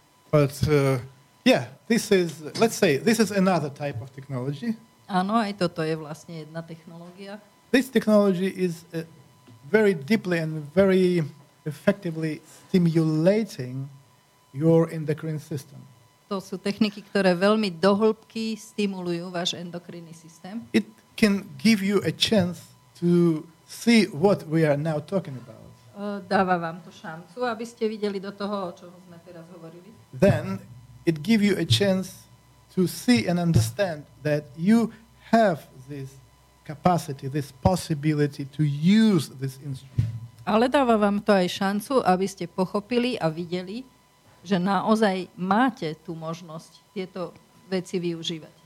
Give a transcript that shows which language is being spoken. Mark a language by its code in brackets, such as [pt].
[en] But yeah, this is, let's say, this is another type of technology. [sk] Áno, aj toto je vlastne jedna technológia. [en] This technology is very deeply and very effectively stimulating your endocrine system. [sk] To sú techniky, ktoré veľmi dohĺbky stimulujú váš endokrinný systém. [en] It can give you a chance to see what we are now talking about. [sk] Dáva vám to šancu, aby ste videli do toho, o čom sme teraz hovorili. [en] Then it give you a chance to see and understand that you have this capacity, this possibility to use this instrument. [sk] Ale dáva vám to aj šancu, aby ste pochopili a videli, že naozaj máte tú možnosť tieto veci využívať.